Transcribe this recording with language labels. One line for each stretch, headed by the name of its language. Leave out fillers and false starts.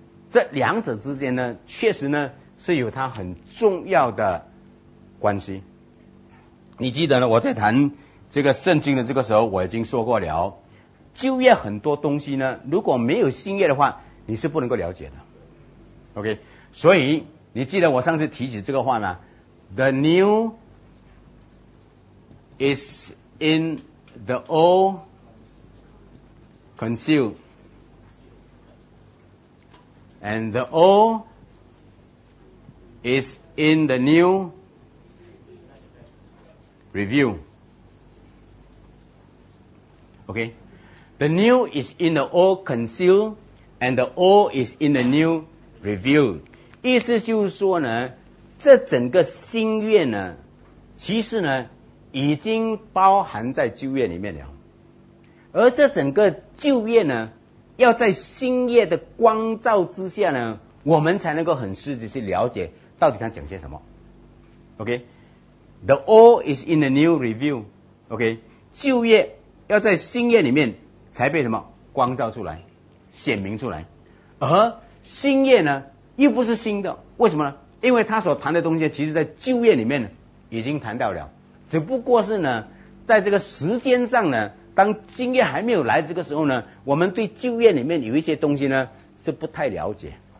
Chinese: 这两者之间呢，确实呢是有它很重要的关系。你记得呢，我在谈这个圣经的这个时候，我已经说过了，旧约很多东西呢，如果没有新约的话，你是不能够了解的。
English: OK，
Chinese: 所以你记得我上次提起这个话吗
English: ？The new is in the old concealed, and the old is in the new review. Okay, the new is in the old concealed, and the old is in the new revealed.
Chinese: 意思就是说呢，这整个新约呢，其实呢已经包含在旧约里面了。而这整个旧约呢，要在新约的光照之下呢，我们才能够很实际去了解到底他讲些什么。
English: Okay, the old is in the new revealed.
Chinese: Okay, 旧约。要在新约里面才被什么光照出来显明出来，而新约呢又不是新的，为什么呢？因为他所谈的东西其实在旧约里面已经谈到了，只不过是呢在这个时间上呢，当新约还没有来这个时候呢，我们对旧约里面有一些东西呢是不太了解。